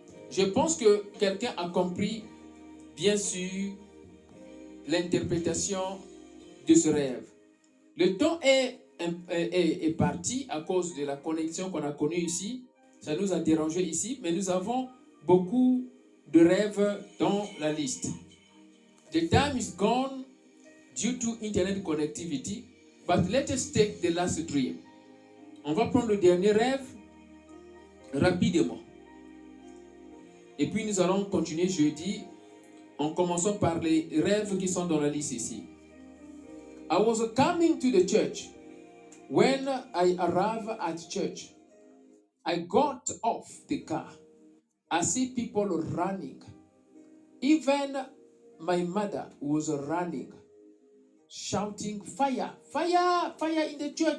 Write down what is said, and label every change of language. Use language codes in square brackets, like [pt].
[fr] Je pense que quelqu'un a compris, bien sûr, l'interprétation de ce rêve. Le temps est parti à cause de la connexion qu'on a connue ici. Ça nous a dérangé ici, mais nous avons beaucoup de rêves dans la liste. [en] The time is gone due to internet connectivity, but let us take the last dream. [fr] On va prendre le dernier rêve rapidement. Et puis nous allons continuer jeudi en commençant par les rêves qui sont dans la liste ici. [en] I was coming to the church. When I arrived at church, I got off the car. I see people running. Even my mother was running, shouting, "Fire, fire, fire in the church.